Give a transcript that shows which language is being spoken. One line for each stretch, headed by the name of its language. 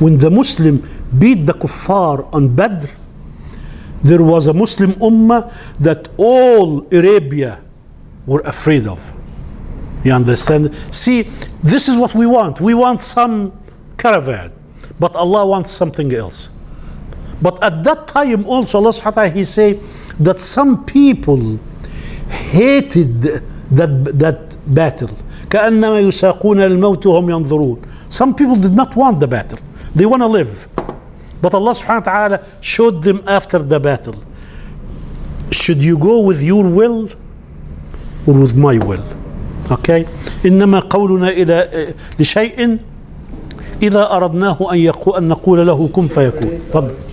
English: When the Muslim beat the Kuffar on Badr, there was a Muslim Ummah that all Arabia were afraid of. You understand? See, this is what we want. We want some caravan, but Allah wants something else. But at that time also, Allah subhanahu wa ta'ala, He say that some people hated that battle.
Arabic: كأنما يساقون الموت وهم ينظرون.
English: Some people did not want the battle. They want to live. But Allah subhanahu wa ta'ala showed them after the battle. Should you go with your will or with my will? Okay?
Arabic: إنما قولنا إلى لشيء إذا أردناه أن يقول أن نقول له كن فيكون.